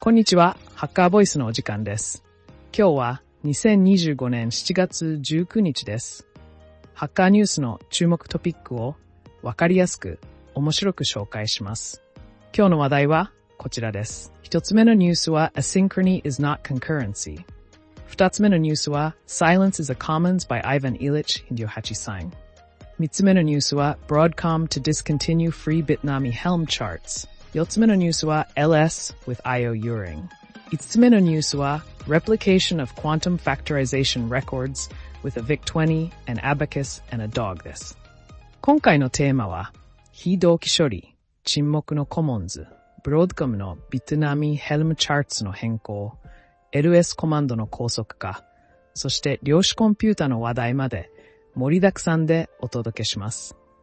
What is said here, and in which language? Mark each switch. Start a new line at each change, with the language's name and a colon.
Japanese: こんにちは、ハッカーボイスのお時間です。今日は2025年7月19日です。ハッカーニュースの注目トピックをわかりやすく面白く紹介します。今日の話題はこちらです。一つ目のニュースは
English: Asynchrony is not concurrency。
Japanese: 二つ目のニュースは
English: Silence is a commons by Ivan Illich and Yohachi Sign。
Japanese: 三つ目のニュースは
English: Broadcom to discontinue free Bitnami Helm charts。
Japanese: 四つ目のニュースは
English: LS with IO Euring。
Japanese: 五つ目のニュースは
English: Replication of Quantum Factorization Records with a VIC-20, an Abacus and a Dog
Japanese: です。今回のテーマは非同期処理、沈黙のコモンズ、ブロードコムのビットナミヘルムチャーツの変更、 LS コマンドの高速化、そして量子コンピュータの話題まで盛りだくさんでお届けします。